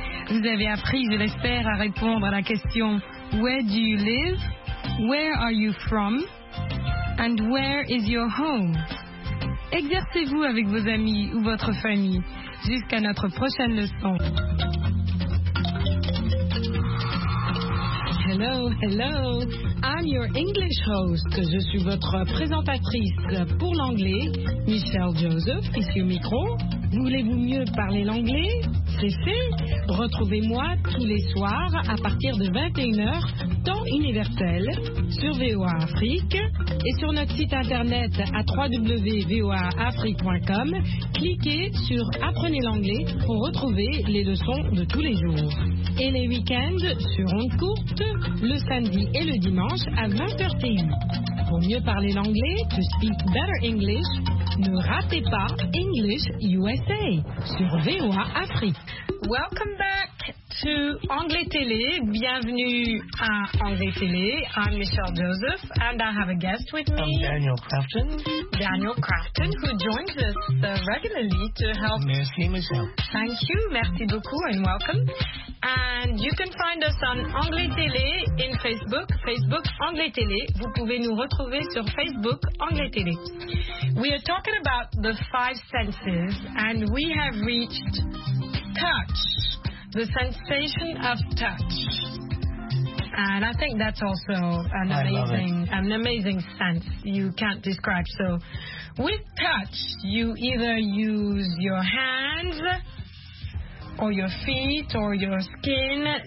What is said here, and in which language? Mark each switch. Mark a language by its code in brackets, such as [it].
[fr] Vous avez appris, je l'espère, à répondre à la question [en] Where do you live? Where are you from? And where is your home? [fr] Exercez-vous avec vos amis ou votre famille. Jusqu'à notre prochaine leçon. [en] Hello, hello. I'm your English host. [fr] Je suis votre présentatrice pour l'anglais, Michelle Joseph, ici au micro. Voulez-vous mieux parler l'anglais? C'est. Retrouvez-moi tous les soirs à partir de 21h, temps universel, sur VOA Afrique et sur notre site internet à www.voaafrique.com. Cliquez sur Apprenez l'anglais pour retrouver les leçons de tous les jours. Et les week-ends sur Onde Courte, le samedi et le dimanche à 20h TU. Pour mieux parler l'anglais, [en] to speak better English, [fr] ne ratez pas English USA sur VOA Afrique. [en] Welcome back to Anglais Télé. [fr] Bienvenue à Anglais Télé. [en] I'm Michelle Joseph and I have a guest with me. I'm Daniel Crafton. Daniel Crafton, who joins us regularly to help. [fr] Merci, Michelle. [en] Thank you. [fr] Merci beaucoup [en] and welcome. And you can find us on Anglais Télé in Facebook, Facebook Anglais Télé. [fr] Vous pouvez nous retrouver sur Facebook Anglais Télé. [en] We are talking about the five senses and we have reached touch, the sensation of touch. And I think that's also an amazing sense you can't describe. So with touch, you either use your hands or your feet or your skin.